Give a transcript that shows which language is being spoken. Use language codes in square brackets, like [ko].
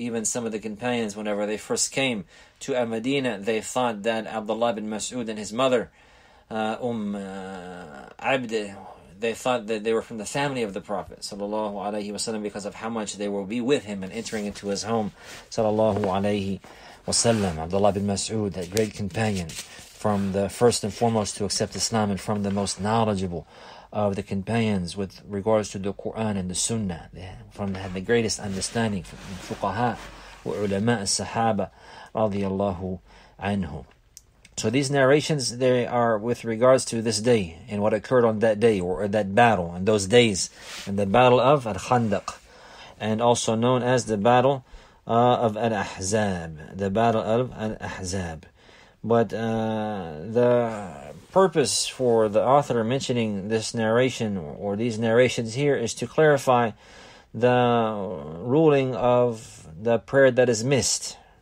[en] Even some of the companions, whenever they first came to Al-Madinah, they thought that Abdullah bin Mas'ud and his mother, Abde, they thought that they were from the family of the Prophet sallallahu alayhi wa sallam, because of how much they will be with him and entering into his home sallallahu alayhi wa sallam. Abdullah bin Mas'ud, that great companion, from the first and foremost to accept Islam and from the most knowledgeable of the companions with regards to the Quran and the Sunnah, from the greatest understanding, from fuqaha, [ar] وعلماء الصحابة رضي الله عنه. [en] So these narrations, they are with regards to this day and what occurred on that day or that battle and those days and the battle of Al-Khandaq and also known as the battle of Al-Ahzab, the battle of Al-Ahzab. But the purpose for the author mentioning this narration or these narrations here is to clarify the ruling of the prayer that is missed.